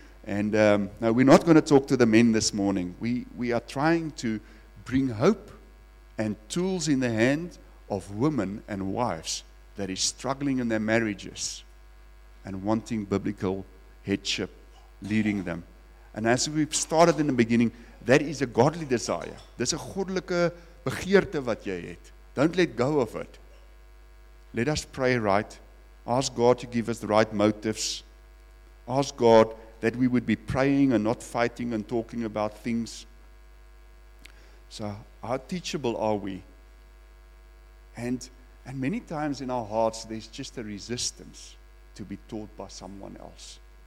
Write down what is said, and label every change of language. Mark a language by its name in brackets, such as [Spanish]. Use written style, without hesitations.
[English] And now we're not going to talk to the men this morning. We are trying to bring hope and tools in the hand of women and wives that is struggling in their marriages and wanting biblical headship leading them. And as we've started in the beginning, that is a godly desire. [Afrikaans] Dis 'n goddelike begeerte wat jy het. [English] Don't let go of it. Let us pray right. Ask God to give us the right motives. Ask God that we would be praying and not fighting and talking about things. So how teachable are we? And many times in our hearts, there's just a resistance to be taught by someone else.